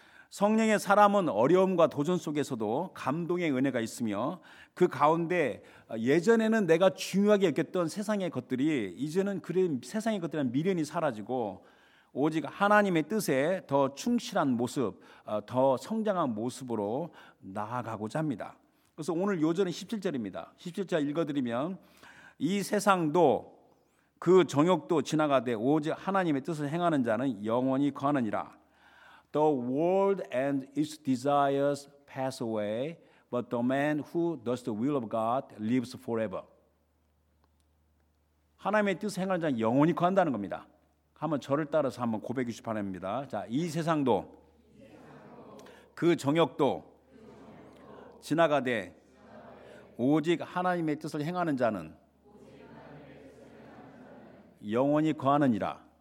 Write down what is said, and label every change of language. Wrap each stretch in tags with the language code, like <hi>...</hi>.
<ko>성령의 사람은 어려움과 도전 속에서도 감동의 은혜가 있으며 그 가운데 예전에는 내가 중요하게 여겼던 세상의 것들이 이제는 그래 세상의 것들이란 미련이 사라지고 오직 하나님의 뜻에 더 충실한 모습, 더 성장한 모습으로 나아가고자 합니다. 그래서 오늘 요절은 17절입니다. 17절 읽어드리면 이 세상도 그 정욕도 지나가되 오직 하나님의 뜻을 행하는 자는 영원히 거하느니라.</ko> <en>The world and its desires pass away, but the man who does the will of God lives forever.</en> <ko>하나님의 뜻을 행하는 자는 영원히 거한다는 겁니다. 한번 저를 따라서 한번 고백해 주시기 바랍니다. 자, 이 세상도 그 정욕도 지나가되 오직 하나님의 뜻을 행하는 자는 영원히 거하느니라.</ko>